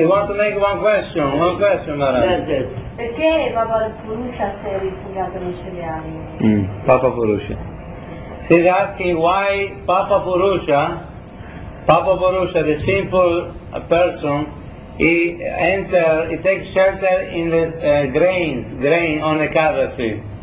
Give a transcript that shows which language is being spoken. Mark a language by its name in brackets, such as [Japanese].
[English] You want to make one question, Maharaj? Yes. [Italian] Perché Papa Purusha si è rifugiato nei cereali? Papa Purusha. [English] He's asking why Papa Purusha, the simple person, he takes shelter in the grain on the Ekadasi.